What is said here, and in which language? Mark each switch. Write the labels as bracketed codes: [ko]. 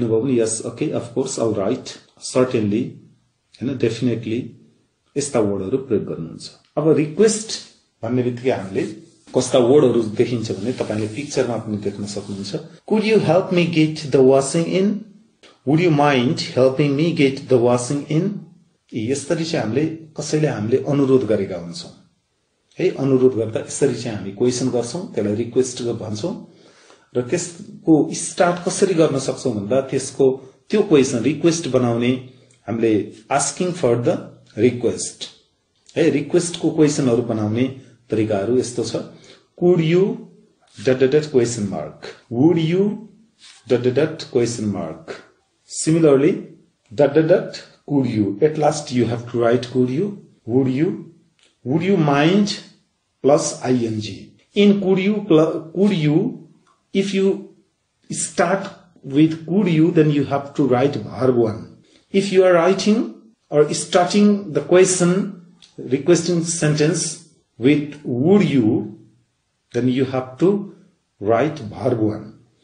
[en] Yes, okay, of course, all right. Certainly, definitely, this word is required. Now, request is the word that picture. Could you help me get the washing in? Would you mind helping me get the washing in? [ne] यसरी चाहिँ हामीले कसैले हामीले अनुरोध गरेका हुन्छौं है अनुरोध गर्दा यसरी चाहिँ हामी क्वेशन गर्छौं त्यसलाई रिक्वेस्ट गर्छौं भन्छौं र त्यसको स्टार्ट कसरी गर्न सक्छौं भन्दा त्यसको त्यो क्वेशन रिक्वेस्ट बनाउने हामीले आस्किंग फर द रिक्वेस्ट है रिक्वेस्ट को क्वेशनहरु बनाउने तरिकाहरु यस्तो छ could you dot dot dot question Mark would you dot dot dot question mark similarly dot dot dot [en] Could you? At last you have to write could you? Would you? Would you mind? Plus ing. In could you, if you start with could you, then you have to write verb 1. If you are writing or starting the question, requesting sentence with would you, then you have to write verb 1.